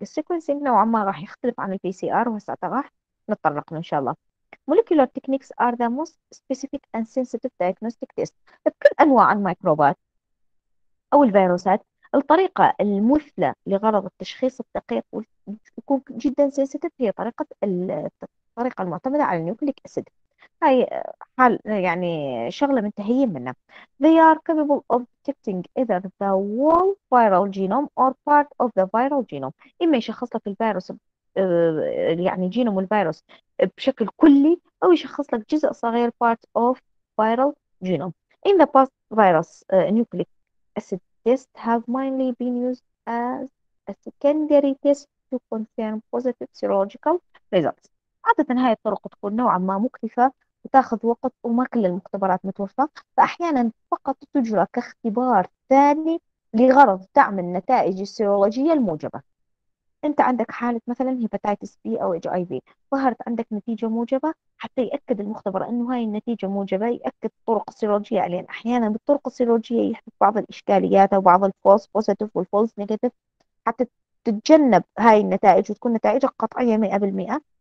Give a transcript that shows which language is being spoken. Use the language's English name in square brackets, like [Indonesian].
[Arabic] السيكونسينج نوعا ما راح يختلف عن البي سي ار، وهسه راح نتطرق له ان شاء الله. [English] Molecular techniques are the most specific and sensitive diagnostic test. [Arabic] بكل انواع الميكروبات او الفيروسات الطريقة المثلى لغرض التشخيص الدقيق وتكون جدا سنسيتيف هي الطريقة المعتمدة على النيوكليك اسيد. هذه هاي حال يعني شغلة منتهيين منها. [English] They are capable of detecting either the whole viral genome or part of the viral genome. [Arabic] إما يشخص لك الفيروس يعني جينوم الفيروس بشكل كلي أو يشخص لك جزء صغير [English] part of viral genome. In the past, virus nucleic acid tests have mainly been used as a secondary test to confirm positive serological results. [Arabic] عادة هاي الطرق تكون نوعا ما مكلفة وتاخذ وقت وما كل المختبرات متوفرة، فأحيانا فقط تجرى كاختبار ثاني لغرض دعم النتائج السيرولوجية الموجبة. أنت عندك حالة مثلا هيباتيتس بي أو اتش أي في، ظهرت عندك نتيجة موجبة، حتى يأكد المختبر أنه هاي النتيجة موجبة يأكد الطرق السيرولوجية، لأن أحيانا بالطرق السيرولوجية يحدث بعض الإشكاليات أو بعض الفولس بوزيتيف والفولس نيجاتيف حتى تتجنب هاي النتائج وتكون نتائجك قطعية 100%.